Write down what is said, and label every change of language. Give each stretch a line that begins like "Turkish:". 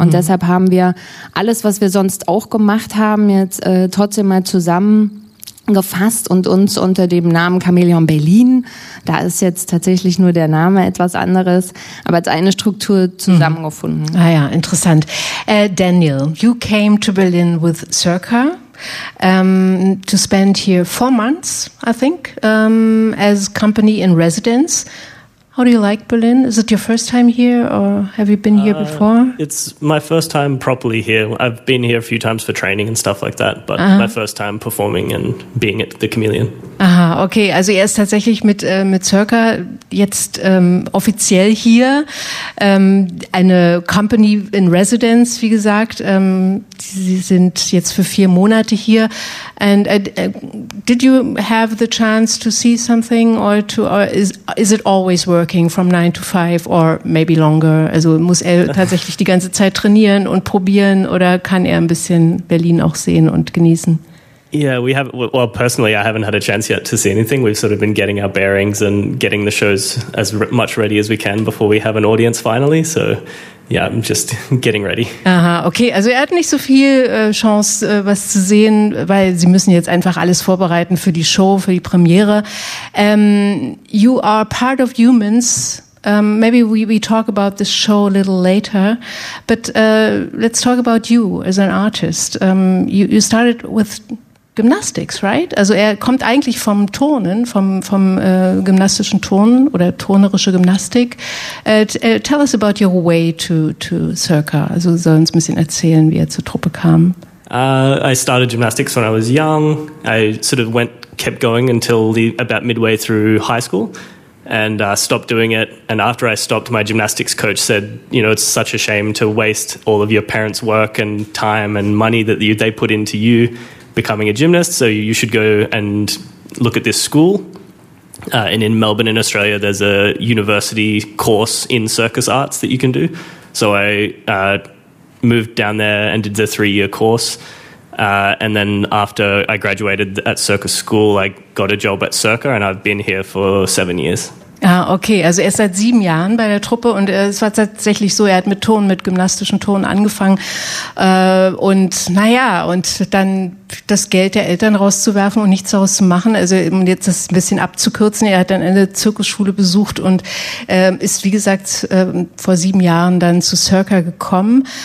German: Und deshalb haben wir alles, was wir sonst auch gemacht haben, jetzt trotzdem mal zusammengefasst und uns unter dem Namen Chamäleon Berlin, da ist jetzt tatsächlich nur der Name etwas anderes, aber als eine Struktur zusammengefunden.
English: Hm.
German: Ah ja, interessant.
English: Daniel, you came to Berlin with Circa. To spend here 4 months, I think, as company in residence. How do you like Berlin? Is it your first time here, or have you been here before? It's my first time properly here. I've been here a few times for training and stuff like that, but my first time performing and being at the Chamäleon. Aha, okay.
German: Also er ist tatsächlich mit Circa jetzt offiziell hier. Eine Company in Residence, wie gesagt. Sie sind jetzt für 4 Monate hier.
English: And did you have the chance to see something or is it always working? From 9 to 5 or maybe longer?
German: Also muss er tatsächlich die ganze Zeit trainieren und probieren, oder kann er ein bisschen Berlin auch sehen und genießen?
English: Yeah, we have. Well, personally, I haven't had a chance yet to see anything. We've sort of been getting our bearings and getting the shows as much ready as we can before we have an audience finally. So, yeah, I'm just getting ready. Aha, okay.
German: Also er hat nicht so viel Chance, was zu sehen, weil sie müssen jetzt einfach alles vorbereiten für die Show, für die Premiere.
English: You are part of Humans. Maybe we talk about this show a little later, but let's talk about you as an artist. You started with Gymnastics, right?
German: Also er kommt eigentlich vom Turnen, vom gymnastischen Turnen oder turnerische Gymnastik.
English: Tell us about your way to Circa.
German: Also soll uns ein bisschen erzählen, wie er zur Truppe kam.
English: I started gymnastics when I was young. I sort of kept going until about midway through high school and stopped doing it. And after I stopped, my gymnastics coach said, you know, it's such a shame to waste all of your parents' work and time and money that they put into you becoming a gymnast, so you should go and look at this school. And in Melbourne, in Australia, there's a university course in circus arts that you can do. So I moved down there and did the three-year course. And then after I graduated at circus school, I got a job at Circa, and I've been here for 7 years. Ah, okay.
German: Also er ist seit 7 Jahren bei der Truppe und es war tatsächlich so, er hat mit Ton, mit gymnastischen Ton angefangen. Und naja, und dann das Geld der Eltern rauszuwerfen und nichts daraus zu machen, also um jetzt das ein bisschen abzukürzen, er hat dann eine Zirkusschule besucht und ist, wie gesagt, vor 7 Jahren dann zu Circa gekommen.